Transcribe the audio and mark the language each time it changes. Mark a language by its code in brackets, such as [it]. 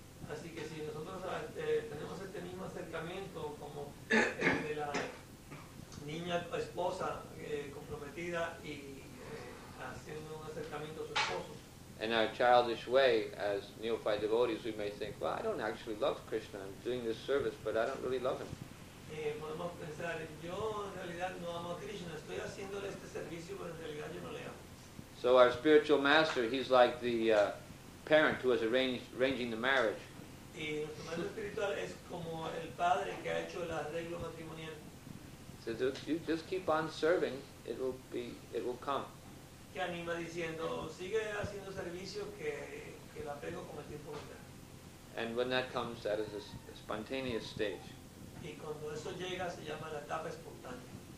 [es] Así que si nosotros tenemos este mismo acercamiento como de la niña esposa comprometida y haciendo un acercamiento a su esposo. [en] In our childish way, as neophyte devotees, we may think, well, I don't actually love Krishna. I'm doing this service, but I don't really love him. [es] Podemos pensar, yo en realidad no amo a Krishna. Estoy haciéndole este servicio, pero en realidad yo no le amo. [en] So our spiritual master, he's like the parent who has arranging the marriage. [es] Y nuestro maestro espiritual es como el padre que ha hecho el arreglo matrimonial. [en] So you just keep on serving, it will come. [es] Que anima diciendo, sigue haciendo servicio que el apego con el tiempo vendrá. [en] And when that comes, that is a spontaneous stage. [es] Y cuando eso llega, se llama la etapa espontánea.